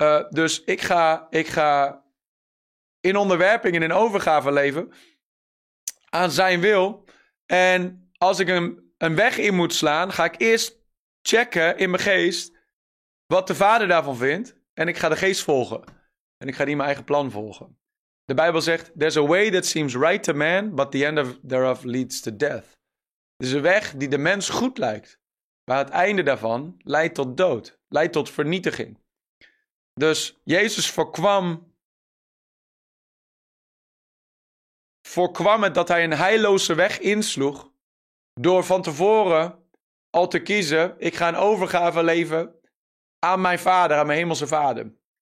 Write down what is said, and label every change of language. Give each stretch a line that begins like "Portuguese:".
Dutch: Dus ik ga in onderwerping en in overgave leven aan zijn wil. En als ik een weg in moet slaan, ga ik eerst checken in mijn geest wat de Vader daarvan vindt. En ik ga de geest volgen. En ik ga niet mijn eigen plan volgen. De Bijbel zegt,
English: there's a way that seems right to man, but the end thereof leads to death.
Dutch: Het is een weg die de mens goed lijkt, maar het einde daarvan leidt tot dood, leidt tot vernietiging. Dus Jezus voorkwam het dat hij een heilloze weg insloeg, door van tevoren al te kiezen, ik ga een overgave leven aan mijn Vader, aan mijn hemelse Vader.